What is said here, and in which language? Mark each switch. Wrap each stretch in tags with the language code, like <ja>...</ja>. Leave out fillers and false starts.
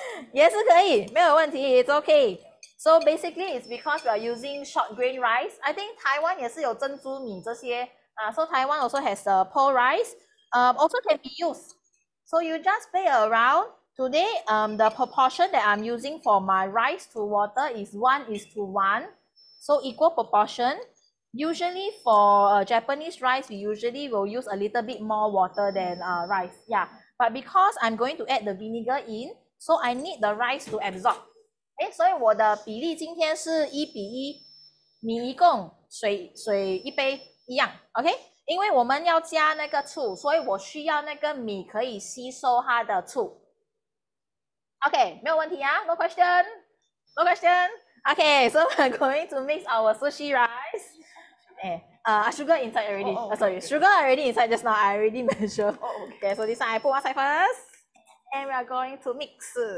<zh>在日本米的话，如果你不是从就不是在日本种的话，也是可以用，没有关系啊。它可能是从越南来的啊，还是从澳洲啊来的啊，澳洲啊，也是可以，没有问题 ，</zh> <en>It's okay. So basically, it's because we are using short grain rice. I think Taiwan</en> <zh>也是有珍珠米这些啊。</zh> <en>So Taiwan also has the pearl rice. Also can be used. So you just play around. Today, the proportion that I'm using for my rice to water is 1:1. So equal proportion. Usually for Japanese rice, we usually will use a little bit more water than rice. Yeah, but because I'm going to add the vinegar in, so I need the rice to absorb.</en> <zh>Okay, 所以我的比例今天是1:1, 米一共水一杯一样, okay? 因为我们要加那个醋, 所以我需要那个米可以吸收它的醋。</zh> <en>Okay,</en> <zh>没有问题啊,</zh> <en>no question, no question. Okay, so we're going to mix our sushi rice. Sugar inside already. Sugar already inside just now. I already measured. Okay, so this one I put aside first. And we are going to mix.</en>